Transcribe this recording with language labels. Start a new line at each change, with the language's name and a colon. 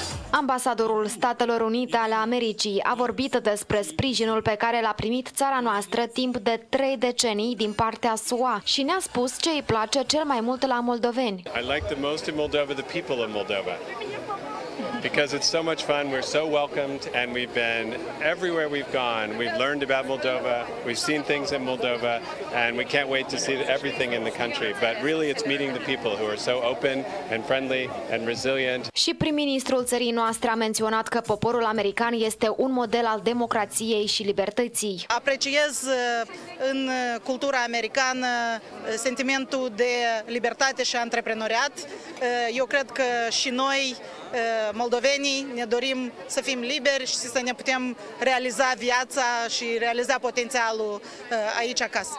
Romanian: Ambasadorul Statelor Unite ale Americii a vorbit despre sprijinul pe care l-a primit țara noastră timp de 3 decenii din partea SUA și ne-a spus ce îi place cel mai mult la moldoveni.
English: I like the most in Moldova the people in Moldova. Because it's so much fun, we're so welcomed and we've been everywhere we've gone. We've learned about Moldova, we've seen things in Moldova and we can't wait to see everything in the country. But really it's meeting the people who are so open and friendly and resilient.
Romanian: Și prim-ministrul țării noastre a menționat că poporul american este un model al democrației și libertății. Apreciez în cultura americană sentimentul de libertate și antreprenoriat. Eu cred că și noi moldovenii ne dorim să fim liberi și să ne putem realiza viața și realiza potențialul aici acasă.